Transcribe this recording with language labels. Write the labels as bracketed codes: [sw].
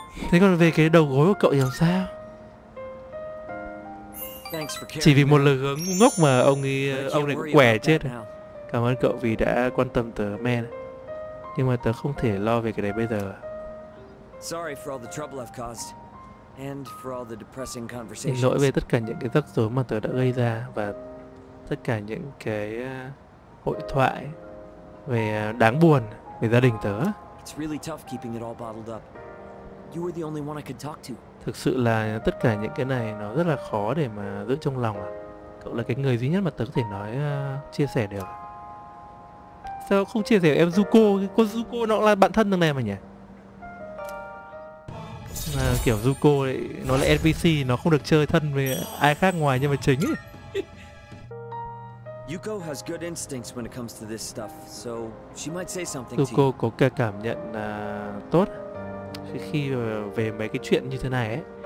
[vi] Thế còn về cái đầu gối của cậu thì làm sao? Chỉ vì một lời hướng ngốc mà ông này cũng quẻ chết rồi. Cảm ơn cậu vì đã quan tâm tớ, men. Nhưng mà tớ không thể lo về cái đấy bây giờ. [en] Sorry for all the trouble I've caused. And for all the depressing conversations. [vi] Xin lỗi về tất cả những cái rắc rối mà tớ đã gây ra và tất cả những cái hội thoại về đáng buồn về gia đình tớ. [en] It's really tough keeping it all bottled up. You were the only one I could talk to. [vi] Thực sự là tất cả những cái này nó rất là khó để mà giữ trong lòng. Cậu là cái người duy nhất mà tớ có thể nói chia sẻ được. Sao không chia sẻ với em Zuko? Cô Zuko nó là bạn thân thằng này mà nhỉ? Mà kiểu Zuko ấy, nó là NPC, nó không được chơi thân với ai khác ngoài nhân vật chính ấy. [en] Yuko has good instincts when it comes to this stuff, so she might say something. [vi] Zuko có cái cảm nhận tốt khi về mấy cái chuyện như thế này ấy.